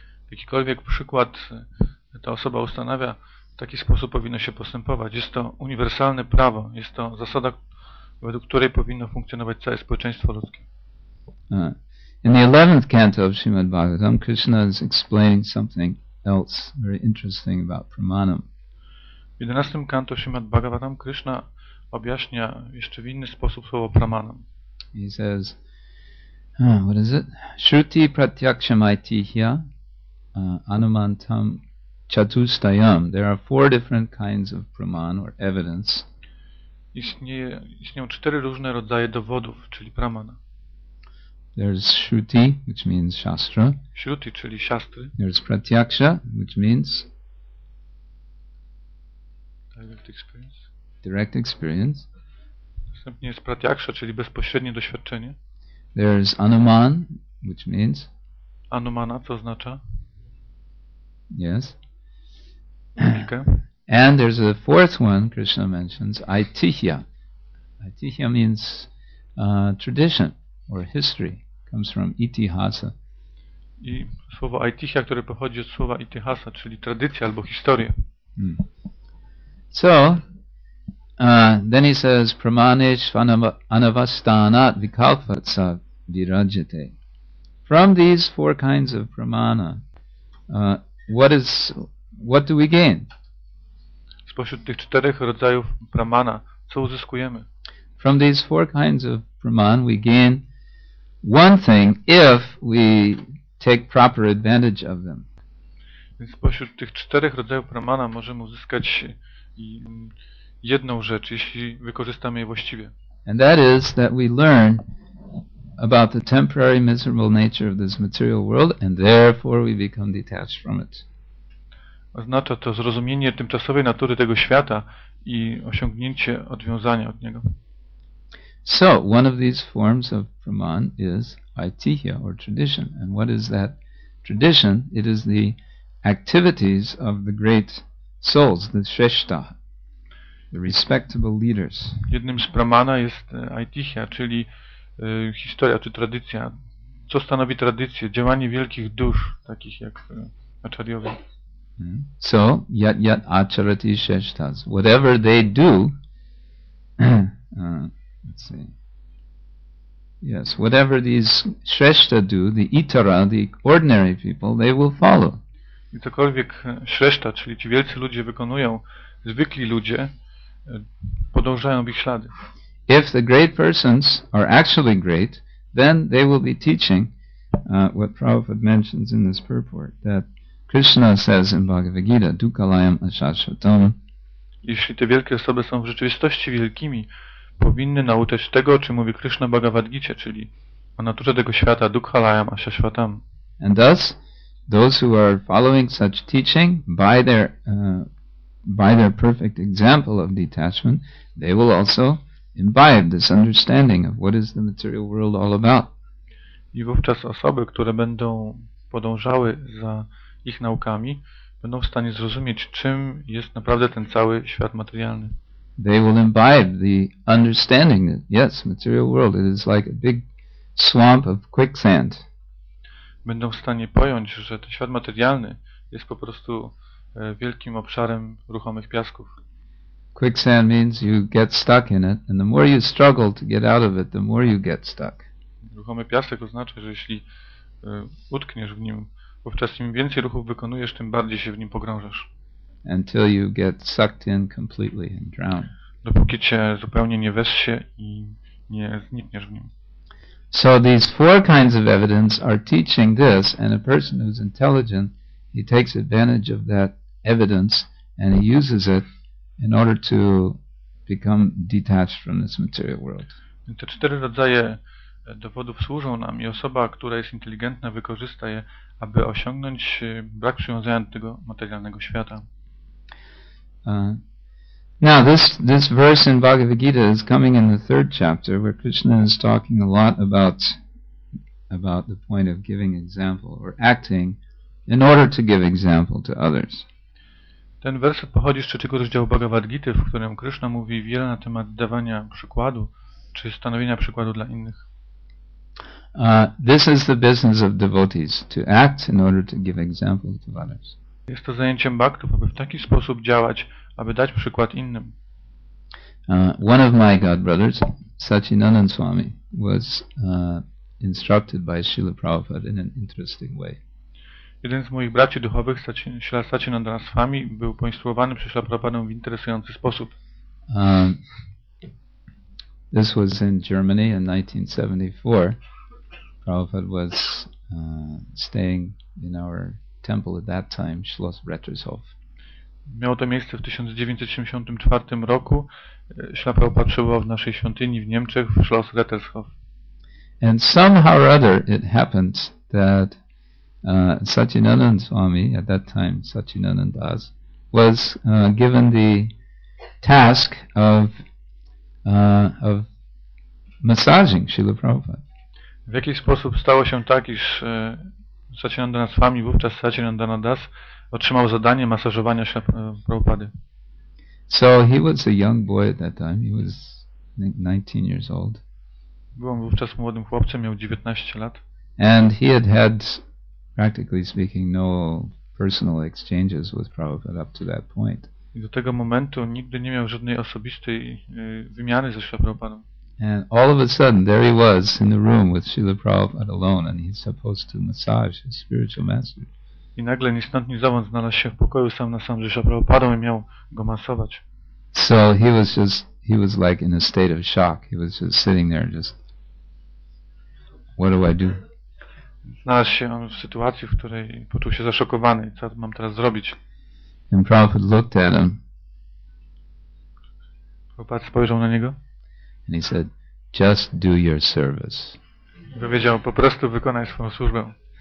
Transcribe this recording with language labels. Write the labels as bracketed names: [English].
[Polish] Jakikolwiek przykład ta osoba ustanawia, w taki sposób powinno się postępować. Jest to uniwersalne prawo. Jest to zasada, według której powinno funkcjonować całe społeczeństwo ludzkie. [English] In the 11th canto of Srimad Bhagavatam, Krishna is explaining something else very interesting about pramanam. [Polish] W [English] 11th canto [Polish] Srimad Bhagavatam, Krishna objaśnia jeszcze w inny sposób słowo pramanam. [English] He says, what is it? [Sanskrit] Shruti pratyakshamaitihya anumantam chatustayam. [English] There are four different kinds of praman or evidence. [Polish] Istnieją cztery różne rodzaje dowodów, czyli pramana. [English] There's shruti, which means shastra. [Polish] Shruti, czyli siastry. [English] There's pratyaksha, which means direct experience. Direct experience. [Polish] Następnie jest pratyaksha, czyli bezpośrednie doświadczenie. [English] There's anuman, which means [Polish] anumana, co oznacza? [English] Yes. And there's a fourth one Krishna mentions, aitihya. Aitihya means tradition or history. Comes from itihasa. [Polish] I słowo aitihya, które pochodzi od słowa itihasa, czyli tradycja albo historia. Hmm. [English] So, then he says, [Sanskrit] pramanesh anavastanat vikalpatsa virajate. [English] From these four kinds of pramana, what do we gain? [Polish] Spośród tych czterech rodzajów pramana, co uzyskujemy? [English] From these four kinds of praman, we gain one thing if we take proper advantage of them. [Polish] Więc spośród tych czterech rodzajów pramana możemy uzyskać jedną rzecz, jeśli wykorzystamy je właściwie. [English] And that is that we learn about the temporary miserable nature of this material world, and therefore we become detached from it. [Polish] Oznacza to zrozumienie tymczasowej natury tego świata i osiągnięcie odwiązania od niego. [English] So, one of these forms of praman is aitihya, or tradition. And what is that tradition? It is the activities of the great souls, the shreshta. respectable leaders. [Polish] Jednym z Pramana jest Aitihya, czyli historia czy tradycja. Co stanowi tradycję? Działanie wielkich dusz, takich jak Acharyowie. [English] So, [Sanskrit] yat acharati sheshtas. [English] Whatever they do, let's see. Yes, whatever these Shrestha do, the itara, the ordinary people, they will follow. [Polish] I cokolwiek Shrestha, czyli ci wielcy ludzie wykonują, zwykli ludzie podążają w ich ślady. [English] If the great persons are actually great, then they will be teaching what Prabhupada mentions in this purport, that Krishna says in Bhagavad Gita, [Sanskrit] dukalayam ashashvatam. [Polish] Jeśli te wielkie osoby są w rzeczywistości wielkimi, powinny nauczać tego, o czym mówi Krishna Bhagavad Gita, czyli o naturze tego świata, [Sanskrit] dukhalayam ashashvatam. [English] And thus, those who are following such teaching by their perfect example of detachment, they will also imbibe this understanding of what is the material world all about. [Polish] I wówczas osoby, które będą podążały za ich naukami, będą w stanie zrozumieć, czym jest naprawdę ten cały świat materialny. [English] They will imbibe the understanding that yes, material world, it is like a big swamp of quicksand. [Polish] Będą w stanie pojąć, że ten świat materialny jest po prostu wielkim obszarem ruchomych piasków. [English] Quicksand means you get stuck in it, and the more you struggle to get out of it, the more you get stuck. [Polish] Ruchomy piasek oznacza, że jeśli utkniesz w nim, wówczas im więcej ruchów wykonujesz, tym bardziej się w nim pogrążasz. [English] Until you get sucked in completely and drown. [Polish] Dopóki cię zupełnie nie wessie i nie znikniesz w nim. [English] So these four kinds of evidence are teaching this, and a person who's intelligent, he takes advantage of that evidence and he uses it in order to become detached from this material world. [Polish] Te cztery rodzaje dowodów służą nam i osoba, która jest inteligentna, wykorzysta je, aby osiągnąć brak przywiązania do tego materialnego świata. [English] Now this verse in Bhagavad Gita is coming in the third chapter where Krishna is talking a lot about the point of giving example or acting in order to give example to others. [Polish] Ten werset pochodzi z trzeciego rozdziału Bhagavad Gita, w którym Krishna mówi wiele na temat dawania przykładu czy stanowienia przykładu dla innych. [English] This is the business of devotees, to act in order to give example to others. [Polish] Jest to zajęciem bhaktów, aby w taki sposób działać, aby dać przykład innym. [English] One of my godbrothers, Satchinandan Swami, was instructed by Srila Prabhupada in an interesting way. [Polish] Jeden z moich braci duchowych, Srila Satchinandan Swami, był poinstruowany przez Srila Prabhupada w interesujący sposób. [English] This was in Germany in 1974. Prabhupada was staying in our temple at that time, Schloss Rettershof. [Polish] Miało to miejsce w 1974 roku. Srila Prabhupada przebywał w naszej świątyni w Niemczech, w Schloss Rettershof. [English] And somehow or other it happened that Satchinandan Swami, at that time Satchinandan Das, was given the task of massaging Srila Prabhupada. [Polish] W jakiś sposób stało się tak, iż Satchinandana Swami, wówczas Satchinandana Das, otrzymał zadanie masażowania się Prabhupady. [English] So he was a young boy at that time. He was 19 years old. [Polish] Był on wówczas młodym chłopcem, miał 19 lat. [English] And he had had, practically speaking, no personal exchanges with Prabhupada up to that point. [Polish] I do tego momentu nigdy nie miał żadnej osobistej wymiany ze Śrila Prabhupadą. [English] And all of a sudden, there he was in the room with Srila Prabhupada alone, and he's supposed to massage his spiritual master. [Polish] I nagle, ni stąd, ni zowąd, znalazł się w pokoju sam na sam ze Srila Prabhupadą i miał go masować. [English] So he was like in a state of shock. He was just sitting there, just, what do I do? [Polish] Znalazł się on w sytuacji, w której poczuł się zaszokowany. Co mam teraz zrobić? [English] And Prabhupada looked at him. [Polish] Prabhupada spojrzał na niego. [English] And he said, just do your service. [Polish] Powiedział, po prostu wykonaj swoją służbę.